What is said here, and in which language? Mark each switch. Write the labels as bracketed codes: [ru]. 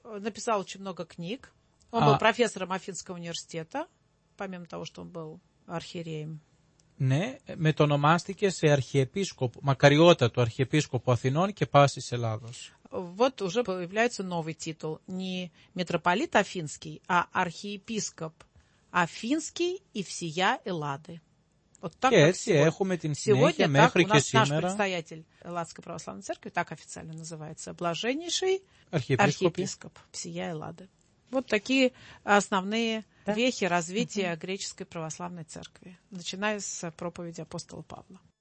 [ru] Написал очень много книг. Он был профессором Афинского университета, помимо того, что он был архиереем. [el] Ναι, μετονομάστηκε σε αρχιεπίσκοπο, μακαριότατο αρχιεπίσκοπο Αθηνών και πάσης Ελλάδος. [ru] Вот уже появляется новый титул. Не митрополит Афинский, а архиепископ Афинский и всея Эллады. Вот так, [el] και έτσι [ru] сегодня, [el] έχουμε την συνέχεια μέχρι και сегодня [ru] так у нас наш представитель Элладской православной церкви, так официально называется, блаженнейший архиепископ всея Эллады. Вот такие основные вехи развития греческой православной церкви, начиная с проповеди апостола Павла.